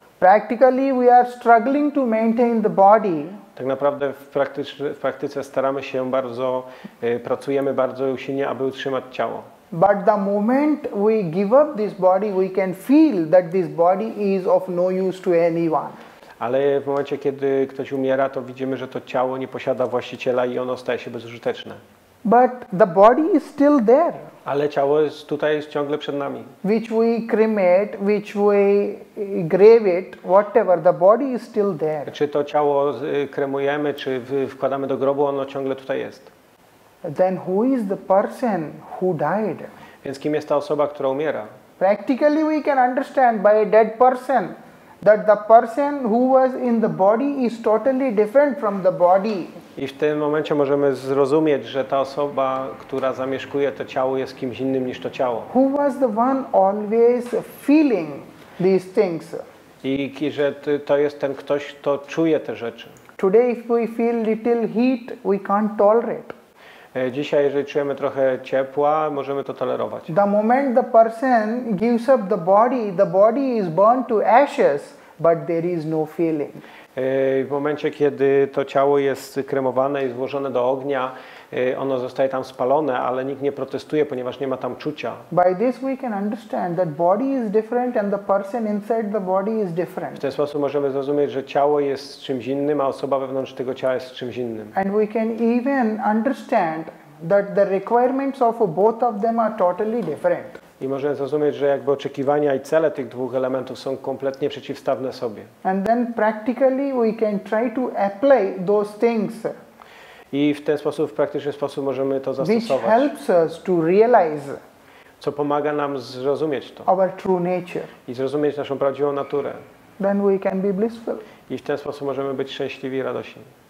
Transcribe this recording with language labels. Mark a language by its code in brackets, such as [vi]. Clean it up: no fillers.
[en] Practically we are struggling to maintain the body. [pl] Tak naprawdę w praktyce staramy się bardzo, pracujemy bardzo usilnie, aby utrzymać ciało. [en] But the moment we give up this body, we can feel that this body is of no use to anyone. [pl] Ale w momencie, kiedy ktoś umiera, to widzimy, że to ciało nie posiada właściciela i ono staje się bezużyteczne. [en] But the body is still there. [pl] Ale ciało jest tutaj, jest ciągle przed nami. [en] Which we cremate, which we grave it, whatever, the body is still there. [pl] Czy to ciało kremujemy, czy wkładamy do grobu, ono ciągle tutaj jest. [en] Then who is the person who died? [pl] Więc kim jest ta osoba, która umiera? [en] Practically we can understand by a dead person that the person who was in the body is totally different from the body. [pl] I w tym momencie możemy zrozumieć, że ta osoba, która zamieszkuje to ciało, jest kimś innym niż to ciało. [en] Who was the one always feeling these things? [pl] I że to jest ten ktoś, kto czuje te rzeczy. [en] Today if we feel little heat, we can't tolerate. [pl] Dzisiaj, jeżeli czujemy trochę ciepła, możemy to tolerować. [en] The moment the person gives up the body is burned to ashes, but there is no feeling. [pl] W momencie, kiedy to ciało jest kremowane i złożone do ognia, ono zostaje tam spalone, ale nikt nie protestuje, ponieważ nie ma tam czucia. [en] By this we can understand that body is different and the person inside the body is different. [pl] W ten sposób możemy zrozumieć, że ciało jest czymś innym, a osoba wewnątrz tego ciała jest czymś innym. [en] And we can even understand that the requirements of both of them are totally different. [pl] I możemy zrozumieć, że jakby oczekiwania i cele tych dwóch elementów są kompletnie przeciwstawne sobie. [en] And then practically we can try to apply those things. [pl] I w ten sposób, w praktyczny sposób możemy to zastosować. [en] Which helps us to realize. [pl] Co pomaga nam zrozumieć to. [en] Our true nature. [pl] I zrozumieć naszą prawdziwą naturę. [en] Then we can be blissful. [pl] I w ten sposób możemy być szczęśliwi i radośni.